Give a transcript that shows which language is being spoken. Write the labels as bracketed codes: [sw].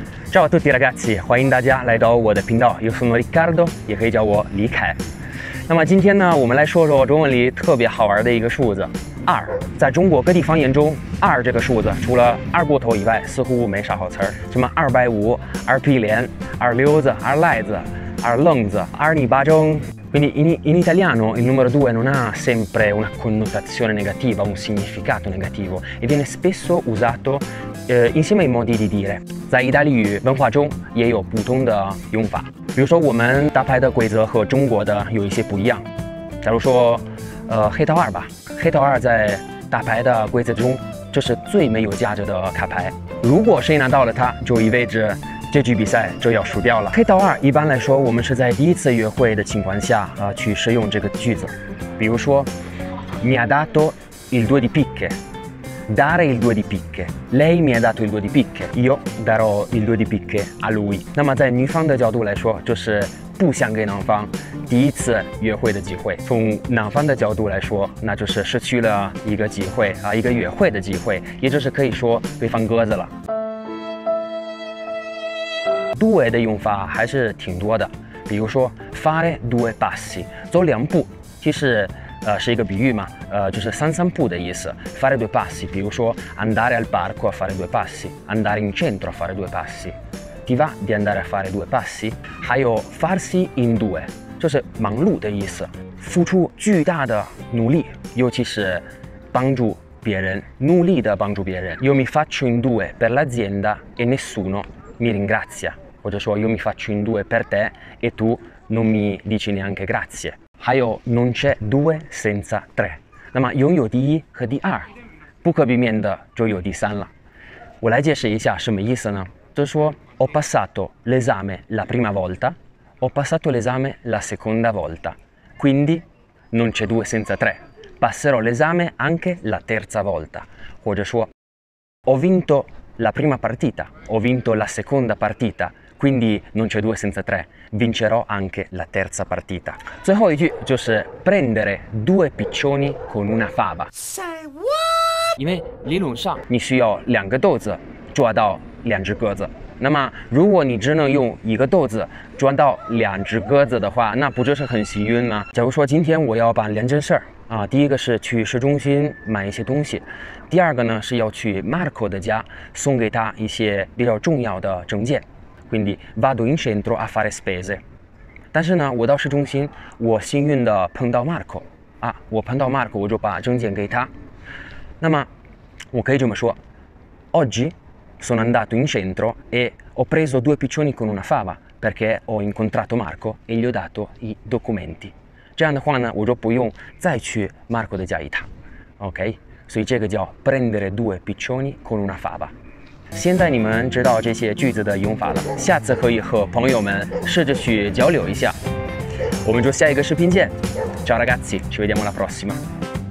[it] Ciao a tutti ragazzi， [zh] 欢迎大家来到我的频道。 [it] Io sono Riccardo， [zh] 也可以叫我李凯。那么今天呢，我们来说说中文里特别好玩的一个数字，二。在中国各地方言中，二这个数字除了二锅头以外，似乎没啥好词儿。什么二百五、二皮脸、二溜子、二赖子、二愣子、二泥巴中。 [it] Quindi in italiano il numero 2 non ha sempre una connotazione negativa, un significato negativo, e viene spesso usato insieme ai modi di dire. [zh] 在意大利语文化中也有不同的用法，比如说我们打牌的规则和中国的有一些不一样。假如说，黑桃二吧，黑桃二在打牌的规则中，这是最没有价值的卡牌。如果谁拿到了它，就意味着这局比赛就要输掉了。黑桃二一般来说，我们是在第一次约会的情况下去使用这个句子。比如说 [it] ，mi ha dato il due di picche， dare il due di picche， lei mi ha dato il due di picche， io darò il due di picche a lui。 [zh] 那么在女方的角度来说，就是不想给男方第一次约会的机会。从男方的角度来说，那就是失去了一个机会一个约会的机会，也就是可以说被放鸽子了。 due 的用法还是挺多的，比如说 [it] fare due passi， [zh] 走两步，其实是一个比喻嘛，就是三步的意思。 [it] fare due passi， [zh] 比如说 [it] andare al parco a fare due passi， andare in centro a fare due passi， ti va di andare a fare due passi？ [zh] 还有 [it] farsi in due， [zh] 就是忙碌的意思，付出巨大的努力，尤其是帮助别人，努力的帮助别人。 [it] io mi faccio in due per l'azienda e nessuno mi ringrazia。 [zh] 或者说 [it] io mi faccio in due per te e tu non mi dici neanche grazie。 [zh] 还有 [it] non c'è due senza tre， [zh] 那么拥有第一和第二，不可避免的就有第三了。我来解释一下什么意思呢，就是说 [it] ho passato l'esame la prima volta， ho passato l'esame la seconda volta， quindi non c'è due senza tre， passerò l'esame anche la terza volta。 [zh] 或者说 [it] ho vinto la prima partita， ho vinto la seconda partitaQuindi non c'è due senza tre, vincerò anche la terza partita。 [zh] 最后一句就是 [it] prendere due piccioni con una fava。 [en] Say what？ [zh] 因为理论上你需要两个豆子抓到两只鸽子。那么如果你只能用一个豆子抓到两只鸽子的话，那不就是很幸运吗？假如说今天我要办两件事儿啊，第一个是去市中心买一些东西，第二个呢是要去 Marco 的家送给他一些比较重要的证件。 [it] Quindi vado in centro a fare spese， [zh] 但是呢，我到市中心，我幸运的碰到 Marco， 啊，我碰到 Marco， 我就把证件给他。那么，我可以这么说 [it] ：Oggi sono andato in centro e ho preso due piccioni con una fava perché ho incontrato Marco e gli ho dato i documenti。 [zh] 这样的话呢，我就不用再去 Marco 的家一趟 ，OK？所以这个叫 [it] prendere due piccioni con una fava。 [zh] 现在你们知道这些句子的用法了，下次可以和朋友们试着去交流一下。我们就下一个视频见 ， [it] Ciao ragazzi，ci vediamo alla prossima。